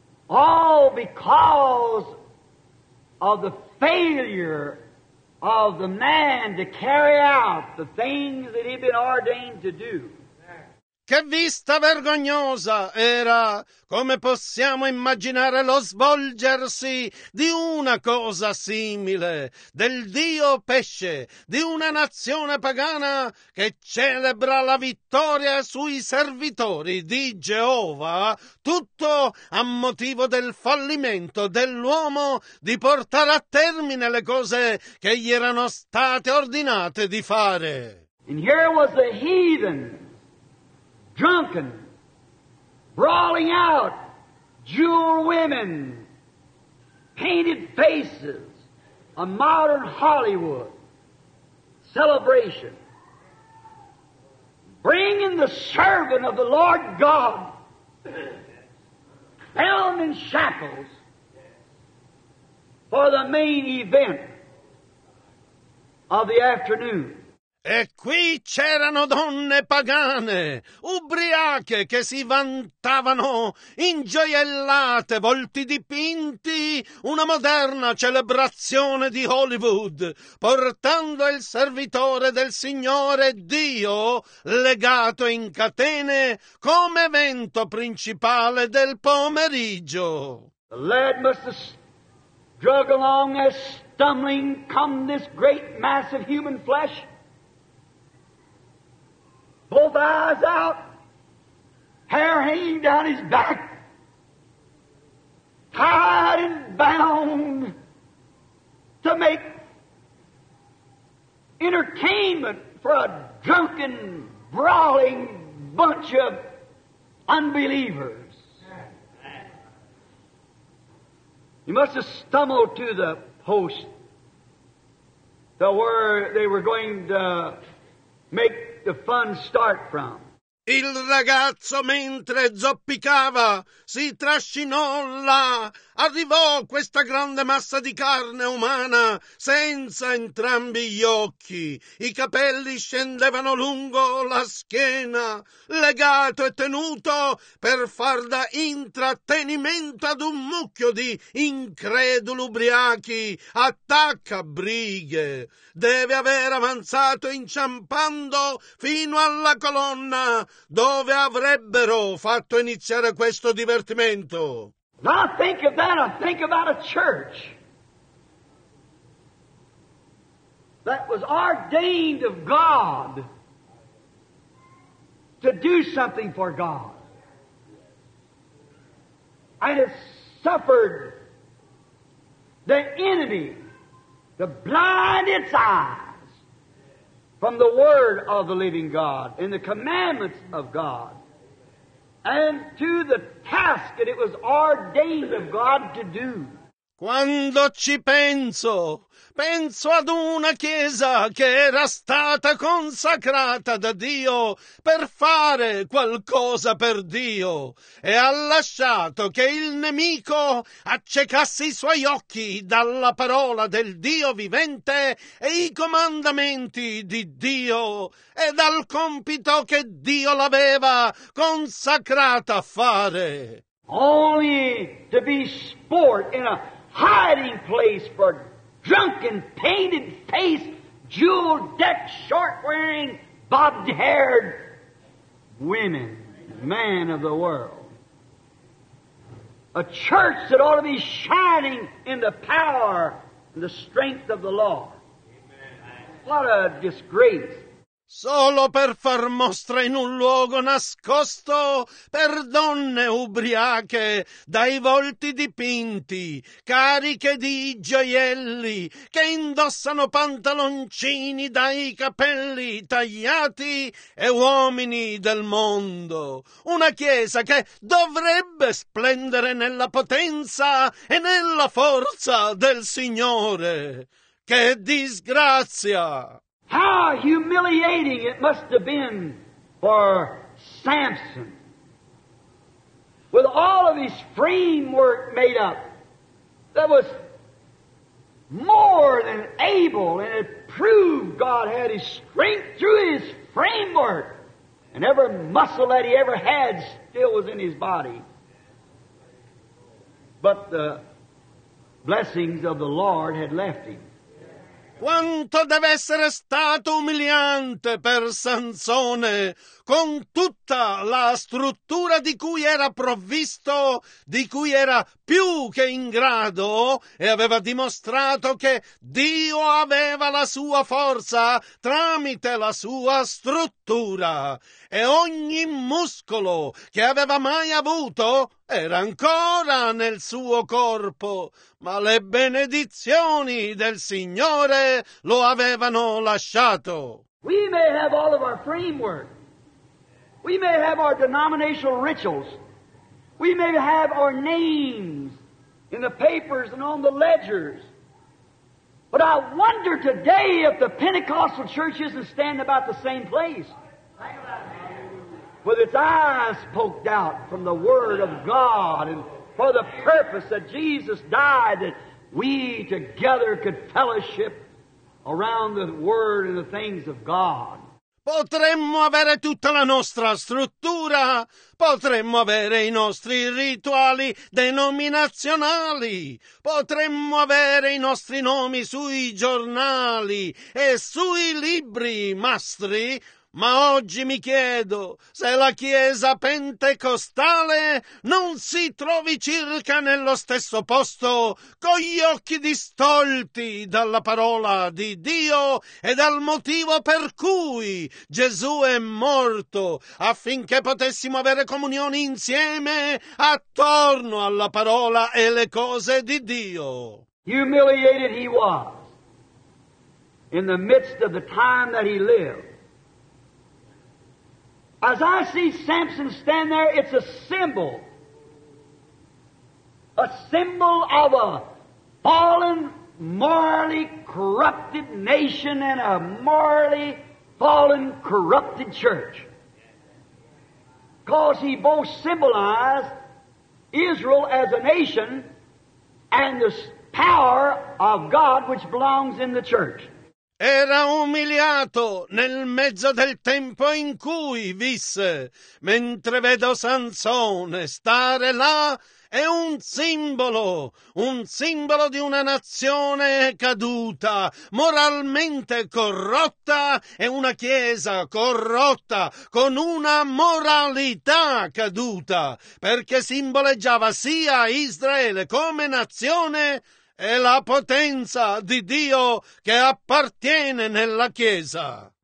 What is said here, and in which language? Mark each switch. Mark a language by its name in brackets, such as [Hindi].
[English] All because of the failure of the man to carry out the things that he'd been ordained to do. [Italian] Che vista vergognosa era, come possiamo immaginare lo svolgersi di una cosa simile, del dio pesce, di una nazione pagana che celebra la vittoria sui servitori di Geova, tutto a motivo del fallimento dell'uomo di portare a termine le cose che gli erano state ordinate di fare. [English] And here was the heathen. Drunken, brawling out, jeweled women, painted faces, a modern Hollywood celebration, bringing the servant of the Lord God, bound in shackles, for the main event of the afternoon. [Italian] E qui c'erano donne pagane, ubriache che si vantavano, ingioiellate, volti dipinti, una moderna celebrazione di Hollywood, portando il servitore del Signore Dio, legato in catene, come evento principale del pomeriggio. [English] The lad must drug along as stumbling come this great mass of human flesh. Both eyes out, hair hanging down his back, tied and bound to make entertainment for a drunken, brawling bunch of unbelievers. He must have stumbled to the post to where they were going to make the fun start from. [Italian] Il ragazzo, mentre zoppicava, si trascinò là. Arrivò questa grande massa di carne umana senza entrambi gli occhi. I capelli scendevano lungo la schiena, legato e tenuto per far da intrattenimento ad un mucchio di increduli ubriachi. Attacca brighe. Deve aver avanzato inciampando fino alla colonna dove avrebbero fatto iniziare questo divertimento. [English] Now think of that, I think about a church that was ordained of God to do something for God. And it suffered the enemy to blind its eyes from the word of the living God and the commandments of God. And to the task that it was ordained of God to do. [Italian] Quando ci penso, penso ad una chiesa che era stata consacrata da Dio per fare qualcosa per Dio e ha lasciato che il nemico accecasse i suoi occhi dalla parola del Dio vivente e i comandamenti di Dio e dal compito che Dio l'aveva consacrata a fare. [English] Only to be sport in a hiding place for drunken, painted-faced jewel-decked, short-wearing, bobbed-haired women, man of the world. A church that ought to be shining in the power and the strength of the law. What a disgrace. [Italian] Solo per far mostra in un luogo nascosto, per donne ubriache, dai volti dipinti, cariche di gioielli, che indossano pantaloncini dai capelli tagliati, e uomini del mondo. Una chiesa che dovrebbe splendere nella potenza e nella forza del Signore. Che disgrazia! [English] How humiliating it must have been for Samson, with all of his framework made up, that was more than able, and it proved God had his strength through his framework, and every muscle that he ever had still was in his body. But the blessings of the Lord had left him. [Italian] Quanto deve essere stato umiliante per Sansone, con tutta la struttura di cui era provvisto, di cui era più che in grado, e aveva dimostrato che Dio aveva la sua forza tramite la sua struttura, e ogni muscolo che aveva mai avuto era ancora nel suo corpo, ma le benedizioni del Signore lo avevano lasciato. [English] We may have all of our framework. We may have our denominational rituals. We may have our names in the papers and on the ledgers. But I wonder today if the Pentecostal church isn't standing about the same place. With its eyes poked out from the Word of God, and for the purpose that Jesus died, that we together could fellowship around the Word and the things of God. [Italian] Potremmo avere tutta la nostra struttura, potremmo avere i nostri rituali denominazionali, potremmo avere i nostri nomi sui giornali e sui libri mastri, ma oggi mi chiedo se la Chiesa pentecostale non si trovi circa nello stesso posto, con gli occhi distolti dalla parola di Dio e dal motivo per cui Gesù è morto, affinché potessimo avere comunione insieme attorno alla parola e le cose di Dio. [English] Humiliated he was in the midst of the time that he lived. As I see Samson stand there, it's a symbol of a fallen, morally corrupted nation and a morally fallen, corrupted church. Because he both symbolized Israel as a nation and the power of God which belongs in the church. [Italian] Era umiliato nel mezzo del tempo in cui visse, mentre vedo Sansone stare là, è un simbolo di una nazione caduta, moralmente corrotta, e una chiesa corrotta con una moralità caduta, perché simboleggiava sia Israele come nazione, è la potenza di Dio che appartiene nella Chiesa.